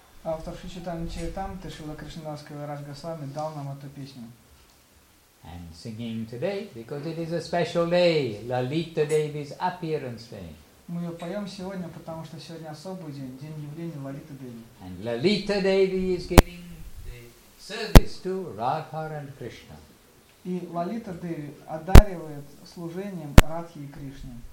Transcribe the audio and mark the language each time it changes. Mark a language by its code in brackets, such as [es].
[ru] Автор Шри Чайтаньи Чаритамриты Шрила Кришнадас Кавираджа Госвами дал нам эту песню. [en] And singing today, because it is a special day, Lalita Devi's appearance day. [ru] Мы ее поем сегодня, потому что сегодня особый день, день явления Лалиты Деви. [en] And Lalita Devi is giving the service to Radha and Krishna. [ru] И Лалита Деви одаривает служением Радхи и Кришне.